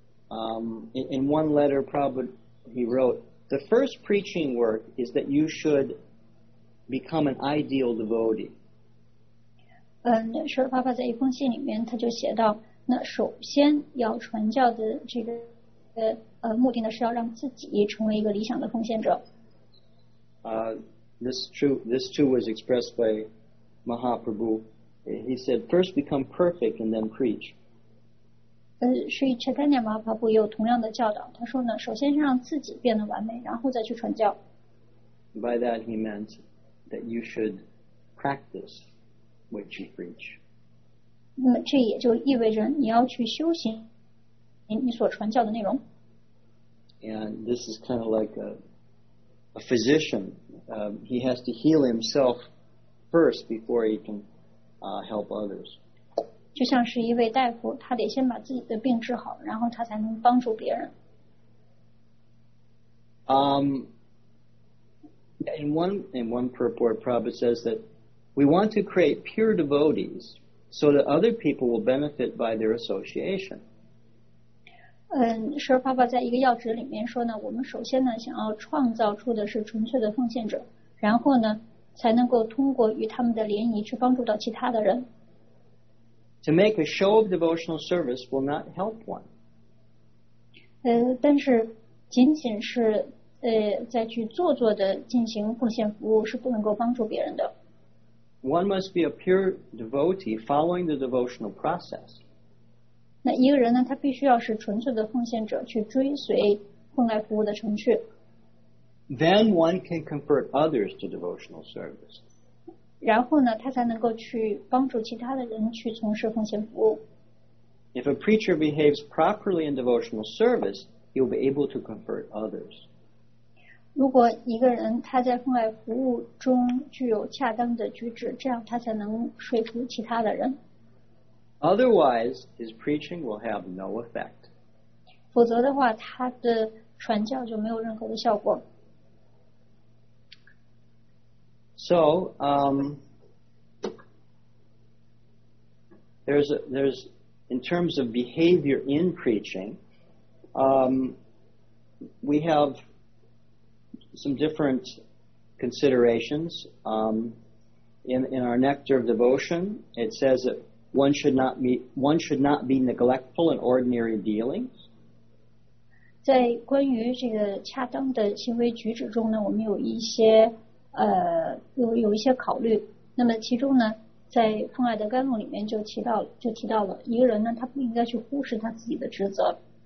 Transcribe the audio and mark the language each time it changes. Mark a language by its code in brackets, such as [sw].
[en] In one letter, Prabhupada, he wrote, the first preaching work is that you should become an ideal devotee. [zh] 舍尔帕帕在一封信里面他就写到，那首先要传教的这个目的呢，是要让自己成为一个理想的奉献者。 [en] This too was expressed by Mahaprabhu. He said, first become perfect and then preach. [zh] 所以 Chaitanya Mahaprabhu 也有同样的教导，他说呢，首先让自己变得完美，然后再去传教。 [en] By that he meant that you should practice what you preach. [zh] 那么这也就意味着你要去修行你所传教的内容。 [en] And this is kind of like a physician. He has to heal himself first before he can help others. [zh] 就像是一位大夫，他得先把自己的病治好，然后他才能帮助别人。 [en] In one purport, Prabhupada says that we want to create pure devotees so that other people will benefit by their association. [zh] 舍尔帕帕在一个要旨里面说呢，我们首先呢想要创造出的是纯粹的奉献者，然后呢才能够通过与他们的联谊去帮助到其他的人。 [en] To make a show of devotional service will not help one. [zh] 但是仅仅是再去做作的进行奉献服务是不能够帮助别人的。 [en] One must be a pure devotee following the devotional process. [zh] 那一个人呢，他必须要是纯粹的奉献者，去追随奉来服务的程序。 [en] Then one can convert others to devotional service. [zh] 然后呢，他才能够去帮助其他的人去从事奉献服务。 [en] If a preacher behaves properly in devotional service, he will be able to convert others. [zh] 如果一个人他在奉爱服务中具有恰当的举止，这样他才能说服其他的人。 [en] Otherwise, his preaching will have no effect. [zh] 否则的话，他的传教就没有任何的效果。 [en] So, there's in terms of behavior in preaching, we have. Some different considerations. In our Nectar of Devotion, it says that one should not be neglectful in ordinary dealings. [zh] 在关于这个恰当的行为举止中呢，我们有一些有一些考虑。那么其中呢，在《奉爱的甘露》里面就提到了一个人呢，他不应该去忽视他自己的职责。